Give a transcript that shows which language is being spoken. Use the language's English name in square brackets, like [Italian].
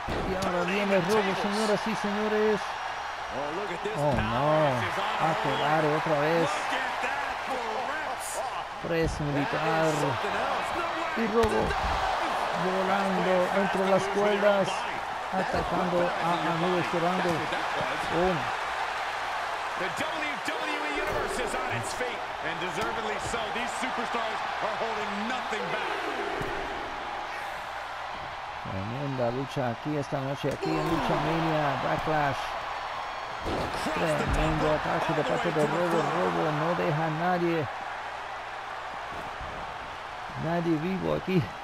[Spanish] Y ahora viene Robo, señoras y señores. Oh no. Akelarre otra vez. Tres militar y Robo volando entre las cuerdas atacando a Anubix Durango. [English] The WWE Universe is on its feet and deservedly so. These superstars are holding nothing back. [Spanish] Tremenda lucha aquí esta noche aquí en Luchamania Backlash. Tremendo ataque de parte de Robo. Robo no deja a nadie. Nadie vivo aquí.